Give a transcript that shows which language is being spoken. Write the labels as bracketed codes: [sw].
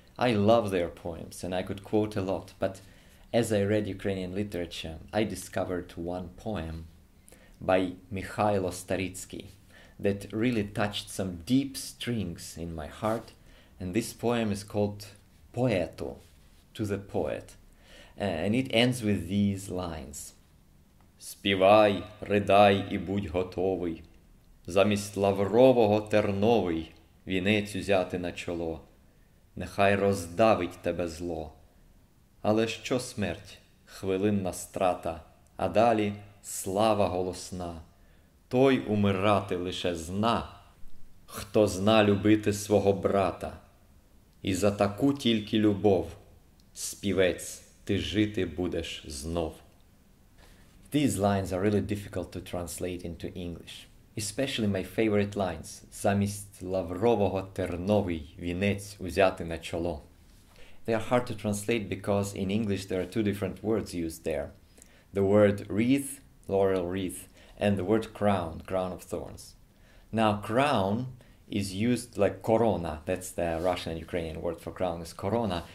[en] I love their poems and I could quote a lot, but as I read Ukrainian literature, I discovered one poem by Mikhailo Staritsky that really touched some deep strings in my heart. And this poem is called Poeto, to the poet. And it ends with these lines. [uk] Співай, ридай і будь готовий. Замість лаврового терновий вінець узяти на чоло. Нехай роздавить тебе зло. Але що смерть? Хвилинна страта. А далі слава голосна. Той умирати лише зна, хто зна любити свого брата. І за таку тільки любов, співець, ти жити будеш знов. [en] These lines are really difficult to translate into English. Especially my favorite lines. [uk] Замість лаврового терновий вінець узяти на чоло. [en] They are hard to translate because in English there are two different words used there. The word wreath, laurel wreath, and the word crown, crown of thorns. Now, crown is used like corona. That's the Russian and Ukrainian word for crown is corona.